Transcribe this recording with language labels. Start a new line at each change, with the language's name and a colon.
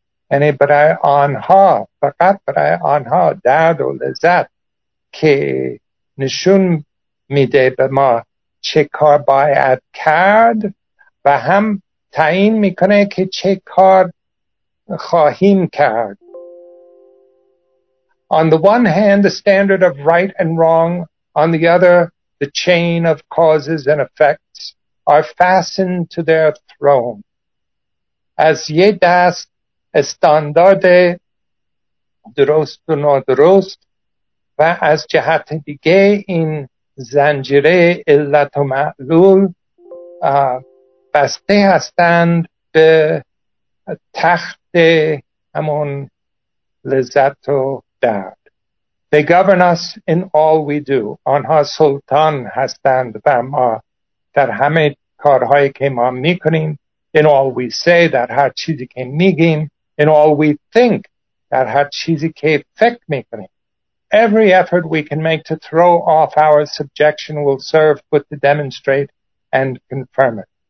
Persian: یعنی برای آنها، فقط برای آنها درد و لذت که نشون میده به ما چه کار باید کرد و هم تعیین میکنه که چه کار خواهیم کرد.
English: On the one hand, the standard of right and wrong, on the other, the chain of causes and effects are fastened to their throne.
Persian: As ye dast estandarde درست و نادرست و از جهت دیگه این زنجیره علت و معلول بسته هستند به تخت همون لذت و درد.
English: They govern us in all we do.
Persian: آنها سلطان هستند بر ما در همه کارهایی که ما میکنیم.
English: In all we say,
Persian: در هر چیزی که میگیم.
English: In all we think,
Persian: در هر چیزی که فکر میکنیم.
English: Every effort we can make to throw off our subjection will serve but to demonstrate and confirm it.